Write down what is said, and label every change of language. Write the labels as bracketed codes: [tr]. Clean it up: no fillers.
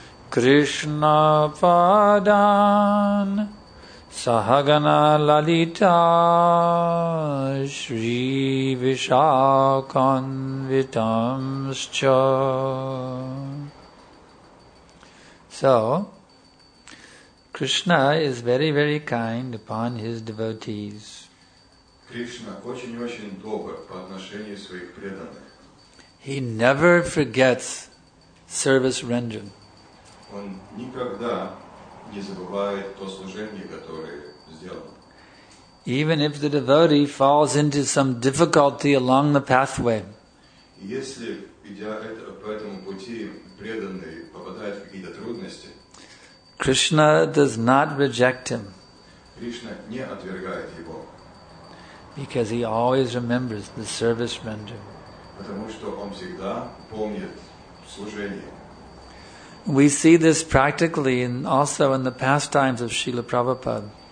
[sa] Krishna Padan Sahagana Lalita Shri Vishakanvitamscha. [en] So, Krishna is very, very kind upon his devotees. [ru] Krishna очень-очень добр по отношению своих преданных. [en] He never forgets service rendered. [ru] Он никогда не забывает то служение, которое сделано. [en] Even if the devotee falls into some difficulty along the pathway. [ru] Если, идя по этому пути, преданный попадает в какие-то трудности, [en] Krishna does not reject him. [ru] Кришна не отвергает его. [en] Because he always remembers the service rendered. [ru] Потому что он всегда помнит служение. [en] We see this practically and also in the pastimes of Srila